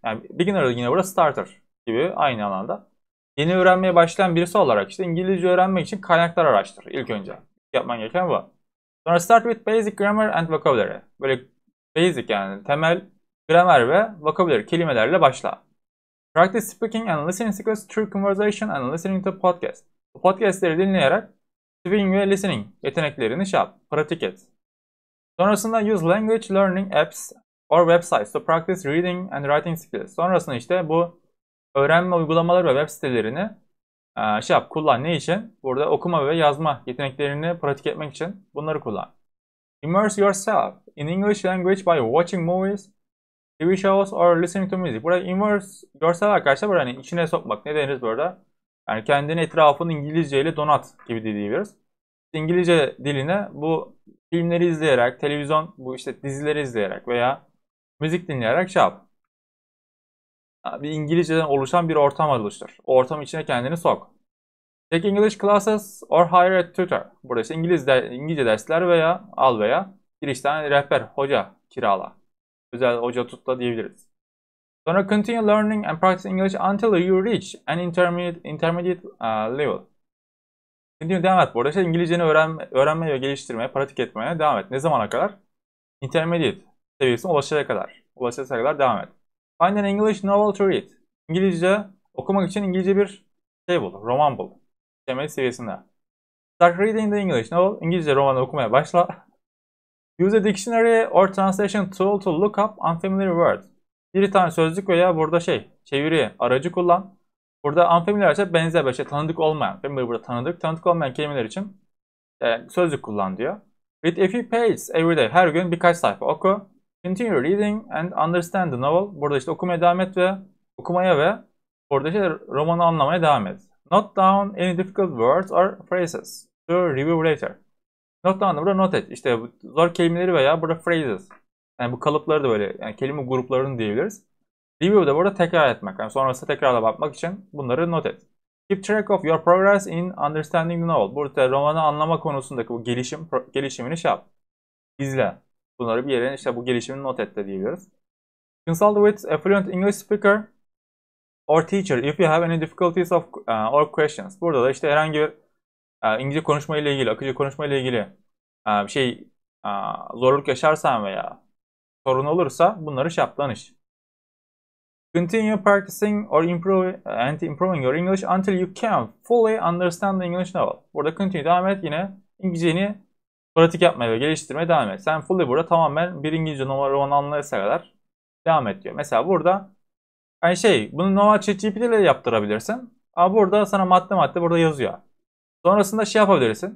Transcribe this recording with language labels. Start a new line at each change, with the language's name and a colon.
Turkish: Yani beginner yine burada starter gibi aynı alanda. Yeni öğrenmeye başlayan birisi olarak işte İngilizce öğrenmek için kaynaklar araştır ilk önce. Yapman gereken bu. Sonra
English: start with basic grammar and vocabulary.
Turkish: Böyle basic yani temel gramer ve vocabulary kelimelerle başla.
English: Practice speaking and listening skills through conversation and listening to podcast.
Turkish: Bu podcastleri dinleyerek speaking ve listening yeteneklerini şey yap, pratik et.
English: Sonrasında use language learning apps or websites to practice reading and writing skills.
Turkish: Sonrasında işte bu öğrenme uygulamaları ve web sitelerini şey yap, kullan. Ne için? Burada okuma ve yazma yeteneklerini pratik etmek için bunları kullan.
English: Immerse yourself in English language by watching movies, TV shows or listening to music.
Turkish: Burada
English: immerse yourself
Turkish: arkadaşlar burada hani içine sokmak. Ne deriz burada? Yani kendini etrafını İngilizce ile donat gibi diyebiliriz. İngilizce diline bu filmleri izleyerek, televizyon bu işte dizileri izleyerek veya müzik dinleyerek şey yap. Bir İngilizceden oluşan bir ortam oluştur. O ortam içine kendini sok.
English: Take English classes or hire a tutor.
Turkish: Burada işte İngilizce dersler veya al veya bir işte hani rehber, hoca kirala. Özel hoca tut da diyebiliriz.
English: Sonra continue learning and practice English until you reach an intermediate level.
Turkish: Continue devam et. Burada işte İngilizceni öğrenmeye ve geliştirmeye, pratik etmeye devam et. Ne zamana kadar? Intermediate seviyesine ulaşacak kadar. Ulaşacak kadar devam et.
English: Find an English novel to read.
Turkish: İngilizce okumak için İngilizce bir şey bul. Roman bul. Temel seviyesinde.
English: Start reading the English novel.
Turkish: İngilizce romanı okumaya başla.
English: Use a dictionary or translation tool to look up unfamiliar words.
Turkish: Bir tane sözlük veya burada şey, çeviri aracı kullan. Burada unfamiliar ise benzer bir şey, tanıdık olmayan. Ben burada tanıdık. Tanıdık olmayan kelimeler için sözlük kullan diyor.
English: Read a few pages every day.
Turkish: Her gün birkaç sayfa oku.
English: Continue reading and understand the novel.
Turkish: Burada işte okumaya devam et ve okumaya ve burada işte romanı anlamaya devam et.
English: Note down any difficult words or phrases.
Turkish: Reverberator. Not down burada not et. İşte zor kelimeleri veya burada phrases. Yani bu kalıpları da böyle yani kelime gruplarını diyebiliriz. Review de burada tekrar etmek. Yani sonrasında tekrarla bakmak için bunları not et.
English: Keep track of your progress in understanding the novel.
Turkish: Burada romanı anlama konusundaki bu gelişimini şey yap. İzle. Bunları bir yere işte bu gelişimini not et de diyebiliriz.
English: Consult with a fluent English speaker or teacher if you have any difficulties of or questions.
Turkish: Burada da işte herhangi bir İngilizce konuşma ile ilgili, akıcı konuşma ile ilgili bir şey zorluk yaşarsan veya sorun olursa bunları şey yap, danış.
English: Continue practicing or improving your English until you can fully understand the English novel.
Turkish: Burada continue devam et yine İngilizceni pratik yapmaya ve geliştirmeye devam et. Sen fully burada tamamen bir İngilizce novel romanı anlayışa kadar devam et diyor. Mesela burada yani şey bunu normal ChatGPT ile yaptırabilirsin. Ama burada sana madde madde burada yazıyor. Sonrasında şey yapabilirsin.